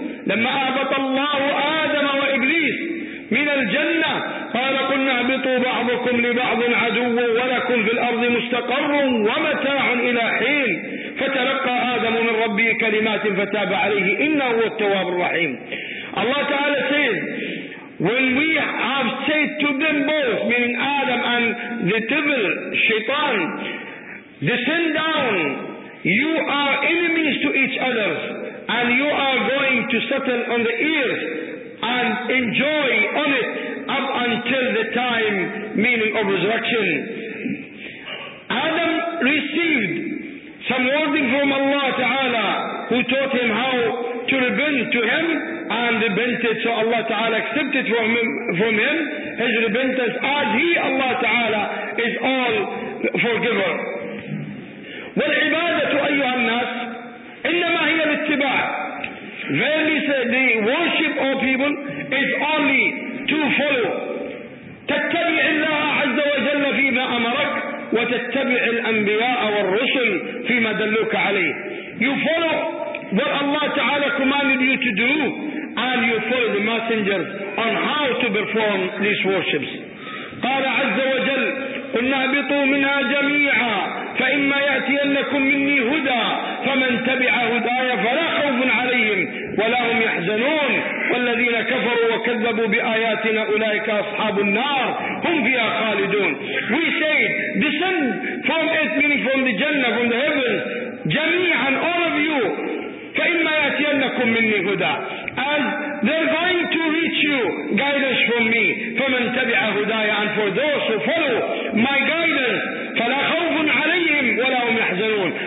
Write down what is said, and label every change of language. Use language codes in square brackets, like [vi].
[ar] لما أهبط الله آدم وإبليس من الجنة قال: قلنا اهبطوا بعضكم لبعض عدو ولكم في الأرض مستقر ومتاع إلى حين. فتلقى آدم من ربه كلمات فتاب عليه إنه هو التواب الرحيم. [en] الله تعالى says, when we have said to them both, meaning Adam and the devil, Shaitan, descend down, you are enemies to each other, and you are going to settle on the earth and enjoy on it up until the time, meaning of resurrection. Adam received some warning from Allah Ta'ala, who taught him how to repent to him, and repented. So Allah Ta'ala accepted from him his repentance, as he, Allah Ta'ala, is all forgiver. [ar] والعبادة أيها الناس إنما هي الاتباع. [en] Verily said, the worship of people is only to follow. [ar] تتبع الله عز وجل فيما أمرك وتتبع الأنبياء والرسل فيما دلوك عليه. [en] You follow what Allah Ta'ala commanded you to do, and you follow the messenger on how to perform these worships. [ar] قال عز وجل قلنا اهبطوا منها جميعا فإما يأتينكم مني هدى فمن تبع هداي فلا خوف عليهم ولا هم يحزنون والذين كفروا وكذبوا بآياتنا أولئك أصحاب النار هم فيها خالدون. [en] We say, descend from it, meaning from the Jannah, from the heavens, [ar] جميعا, [en] all of you, [ar] فإما يأتينكم مني هدى, [en] as they're going to reach you guidance from me, [ar] فمن تبع هداي, [en] and for those who follow my guidance, [ar] فلا خوف عليهم ولا هم يحزنون.